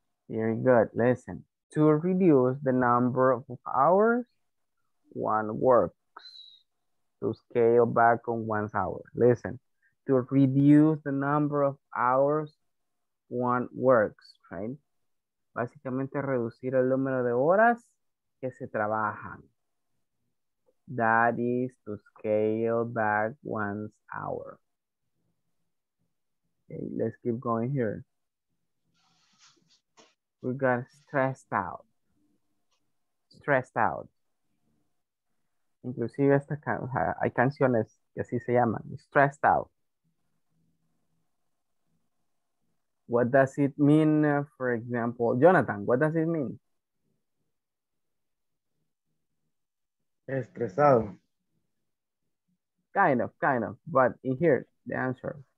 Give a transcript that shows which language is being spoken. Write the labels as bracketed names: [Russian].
[English] Very good. Listen. To reduce the number of hours one works. To scale back on one's hour. Listen. To reduce the number of hours one works, right? [Spanish] Básicamente reducir el número de horas que se trabajan. [English] That is to scale back one's hour. Okay, let's keep going here. We got stressed out. Stressed out. [Spanish] Inclusive esta hay canciones que así se llaman. [English] Stressed out. What does it mean, for example, Jonathan, what does it mean? [Spanish] Estresado. [English] Kind of, but in here, the answer.